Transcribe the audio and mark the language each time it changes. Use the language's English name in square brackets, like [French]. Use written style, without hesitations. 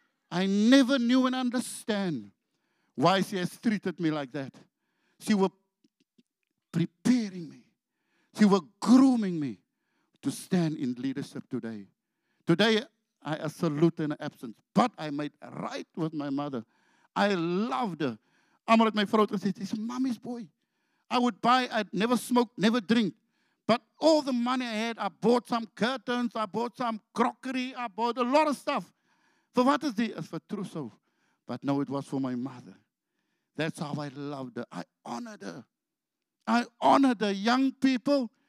[English] I never knew and understand why she has treated me like that. She was preparing me. She was grooming me to stand in leadership today. Today, I salute in absence, but I made right with my mother. I loved her. [Afrikaans] Amal het my vrou het gesê, [English] she's mommy's boy. I'd never smoke, never drink. But all the money I had, I bought some curtains, I bought some crockery, I bought a lot of stuff. For what is this? It's for trousseau. But no, it was for my mother. That's how I loved her. I honored her. I honored the young people.